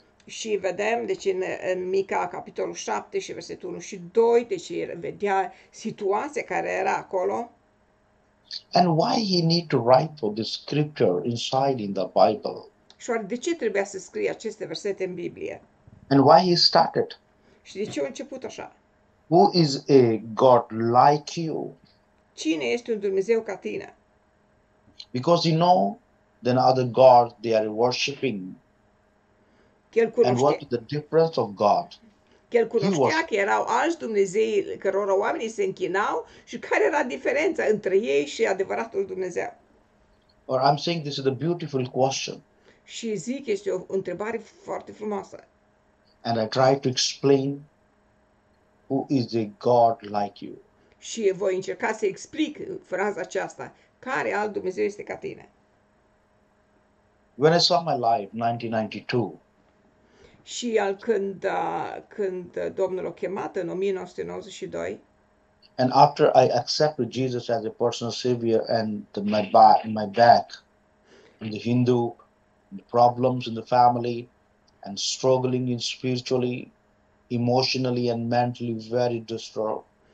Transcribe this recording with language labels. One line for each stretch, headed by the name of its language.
Romanian: Și vedem, deci în Mica, capitolul 7 și versetul 1 și 2, deci vedea situația care era acolo.
English: And why he need to write for the scripture inside in the Bible?
Romanian: Și oare de ce trebuia să scrie aceste versete în Biblie?
English: And why he started?
Romanian: Și de ce a început așa?
English: Who is a God like you?
Romanian: Cine este un Dumnezeu ca tine?
English: Because he know the other God they are worshipping. And what is the difference of God?
Romanian: El cunoștea că erau alți Dumnezei cărora oamenii se închinau și care era diferența între ei și adevăratul Dumnezeu.
English: Or I'm saying this is a beautiful question.
Romanian: Și zic, este o întrebare foarte frumoasă.
English: And I try to explain who is a God like you.
Romanian: Și voi încerca să explic fraza aceasta. Care alt Dumnezeu este ca tine?
English: When I saw my life, 1992.
Romanian: Și al când Domnul o chemat în 1992.
English: And after I accepted Jesus as a personal savior and my back in the Hindu the problems in the family and struggling in spiritually, emotionally and mentally very distraught.